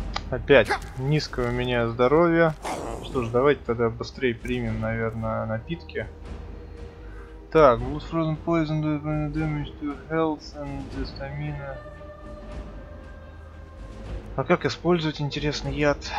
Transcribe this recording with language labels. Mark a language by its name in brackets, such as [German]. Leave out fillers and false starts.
[Russian] Опять низкое у меня здоровье. Что ж, давайте тогда быстрее примем, наверное, напитки. Так, [English] Blood Frozen Poison does damage to health and stamina. [Russian] А как использовать интересный яд?